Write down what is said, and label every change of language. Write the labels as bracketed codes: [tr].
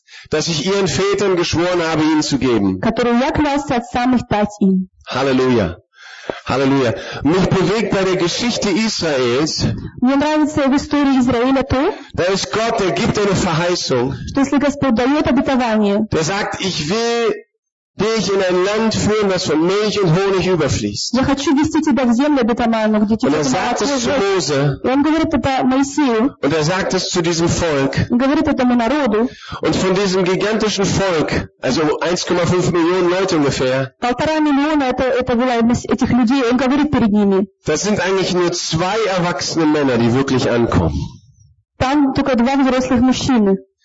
[de] Das ich ihren Vätern geschworen habe, ihnen zu geben. Halleluja. Halleluja. Mich bewegt bei der Geschichte Israels. [ru] Мне нравится в истории Израиля то, [de] da ist Gott, der gibt eine Verheißung. [ru] Что если Господь дает обетование. [de] Der sagt, ich will dich in ein Land führen, das von Milch und Honig überfließt. [ru] Я хочу вести тебя в землю обетованную, где тебе будет молоко. И он говорит это Моисею. [de] Und er sagt es zu diesem Volk. [ru] Und говорит этому народу. [de] Und von diesem gigantischen Volk, also 1,5 Millionen Leute ungefähr. [ru] Полтора миллиона это было этих людей. Он говорит перед ними. [de] Das sind eigentlich nur 2 erwachsene Männer, die wirklich ankommen. [ru] Там только 2 взрослых мужчины.